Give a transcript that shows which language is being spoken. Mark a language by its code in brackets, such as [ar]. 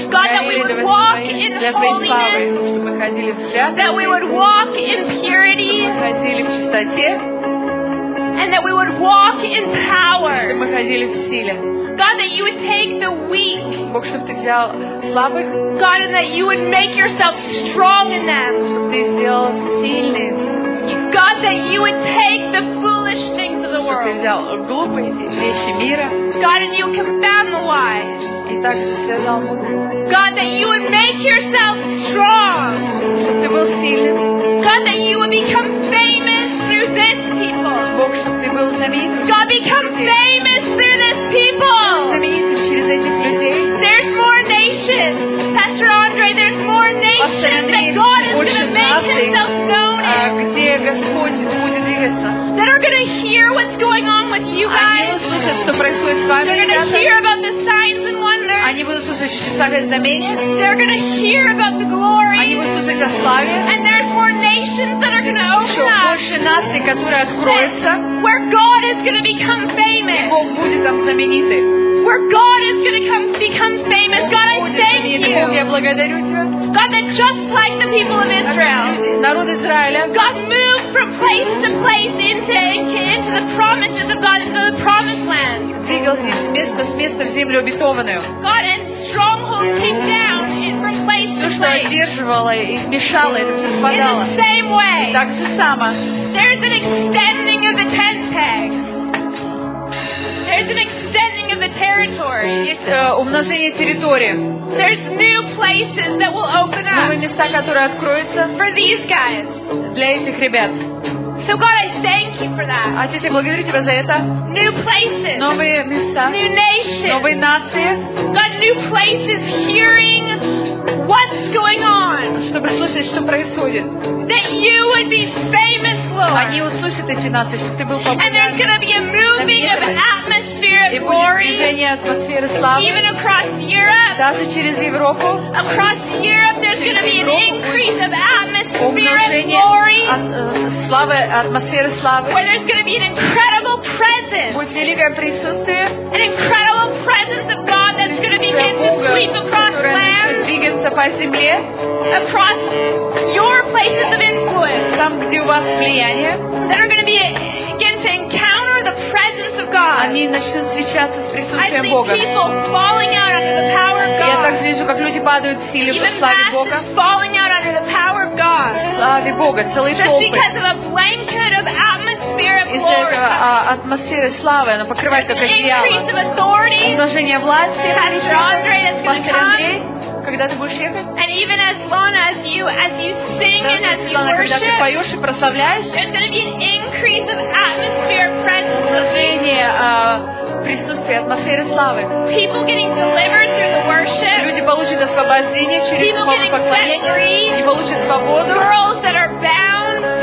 [en] God, that we would walk in holiness. That we would walk in purity. [ru] Ходили в чистоте. [en] And that we would walk in power. [ru] Мы ходили в силе. [en] God, that you would take the weak. [ru] Бог, чтобы ты взял слабых. [en] God, and that you would make yourself strong in them. [ru] Чтобы ты сделал сильным. [en] God, that you would take the foolish things of the world. [ru] Чтобы ты взял глупые вещи мира. [en] God, and you command the wise. [ru] И так же сказал мудрый. [en] God, that you would make yourself strong. [ru] Чтобы ты был сильным. [en] God, that you would become famous through this people. [ru] Бог, чтобы ты был знаменитым. [en] God, become famous through this people. There's more nations. Pastor Andre, there's more nations that God is going to make himself known in. That are going to hear what's going on with you guys. They're going to hear about the signs and wonders. [ru] Они будут слушать чудеса и знамения. [en] They're going to hear about the glory. [ru] Они будут слушать о славе. [en] And there's more nations that are going to open up. [ru] Больше наций, которые откроются. [en] Where God is going to become famous. [ru] И Бог будет там знаменитый. [en] Where God is going to become famous. God, I thank you. [ru] Бог, я благодарю тебя. [en] God, that just like the people of Israel, [ru] народ Израиля, [en] God moved from place to place into the promises of God, into the promised land. [ru] Двигался с места в землю обетованную. [en] God, and strongholds came down from place to place. [ru] То, что одерживало и мешало, это все спадало. [en] In the same way, [ru] так же само. [en] There's an extending of the tent pegs. There's an extending of the territory. [ru] Есть умножение территории. [en] There's new places that will open up. [ru] Новые места, которые откроются. [en] For these guys. [ru] Для этих ребят. [en] So God, I thank you for that. [ru] Отец, я благодарю тебя за это. [en] New places. [ru] Новые места. [en] New nations. [ru] Новые нации. [en] God, new places hearing what's going on. [ru] Чтобы слышать, что происходит. [en] That you would be famous, Lord. [ru] Они услышат эти нации, чтобы ты был популярен. [en] And there's going to be a moving of atmosphere of glory. [ru] И будет движение атмосферы славы. [en] Even across Europe. [ru] Даже через Европу. [en] Across Europe, there's going to be an increase of atmosphere of glory. [ru] Умножение атмосферы славы. [en] Where there's going to be an incredible presence. [ru] Будет великое присутствие. [en] An incredible presence of God. Going to sweep across land, across your places of influence, [ru] там, где у вас влияние, [en] that are going to begin to encounter the presence of God. [ru] Они начнут встречаться с присутствием Бога. [en] I see people falling out under the power of God. [ru] Я также вижу, как люди падают в силе [en] Even [ru] в славе Бога. [en] Falling out under the power of God. [ru] Славе Бога, целые [en] Just [ru] толпы. [en] Because of a blanket of atmosphere of [ru] Из-за [en] glory. [ru] Из-за атмосферы славы, оно покрывает как одеяло. Умножение власти. [en] Pastor Andre, that's going to come. And even as long as you sing and as you worship, [ru] когда ты поешь и прославляешь, [en] there's going to be an increase of atmosphere presence. [ru] Присутствие атмосферы славы. [en] People getting delivered through the worship. [ru] Люди получат освобождение через [en] People [ru] поклонение. И получат свободу. [en] Girls that are bound,